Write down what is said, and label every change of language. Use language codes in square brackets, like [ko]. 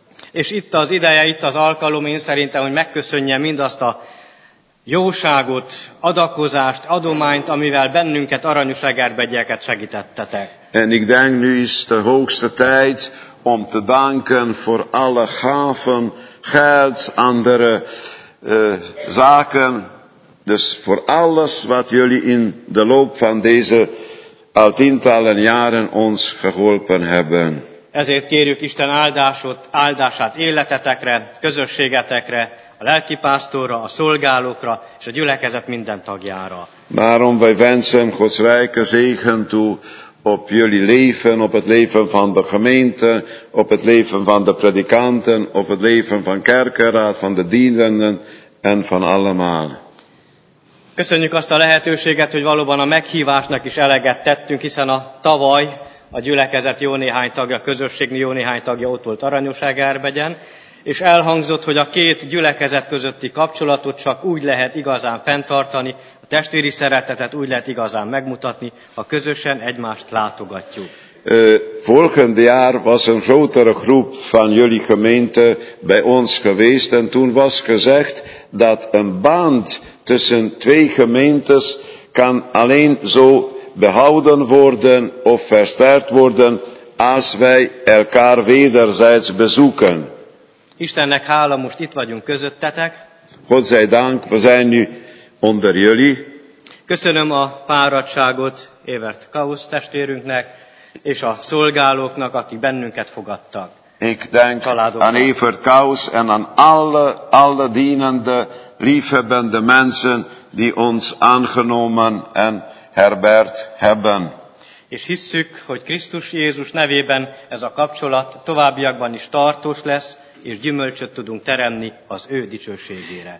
[hu] És itt az ideje, itt az alkalom, én szerintem, hogy megköszönjem mindazt a jóságot, adakozást, adományt, amivel bennünket aranyosegerbegyieket segítettetek. [nl] En ik denk nu is de hoogste tijd om te danken voor alle gaven, geld, andere zaken, Dus voor alles wat jullie in de loop van deze al tientallen jaren ons geholpen hebben. [hu] Ezért kérjük Isten áldásot, áldását életetekre, közösségetekre, a lelkipásztorra, a szolgálókra és a gyülekezet minden tagjára. [nl] Daarom wij wensen Gods rijke zegen toe op jullie leven, op het leven van de gemeente, op het leven van de predikanten, op het leven van kerkenraad, van de dienenden en van allemaal. [hu] Köszönjük azt a lehetőséget, hogy valóban a meghívásnak is eleget tettünk, hiszen a tavaly a gyülekezet jó néhány tagja, a közösség jó néhány tagja ott volt Aranyos-Egerbegyen, és elhangzott, hogy a két gyülekezet közötti kapcsolatot csak úgy lehet igazán fenntartani, a testvéri szeretetet úgy lehet igazán megmutatni, ha közösen egymást látogatjuk. [nl] Volgend jaar was een grotere groep van jullie gemeente bij ons geweest en toen was gezegd dat een band tussen twee gemeentes kan alleen zo behouden worden of versterkt worden als wij elkaar wederzijds bezoeken. [hu] Istennek hála, most itt vagyunk közöttetek. [nl] Godzijdank, we zijn nu onder jullie. [hu] Köszönöm a fáradtságot Evert Kausz testvérünknek és a szolgálóknak, akik bennünket fogadtak. [nl] Ik denk aan Evert Kausz en aan alle dienende, liefhebbende mensen die ons aangenomen en herbert hebben. [hu] És hisszük, hogy Krisztus Jézus nevében ez a kapcsolat továbbiakban is tartós lesz, és gyümölcsöt tudunk teremni az ő dicsőségére.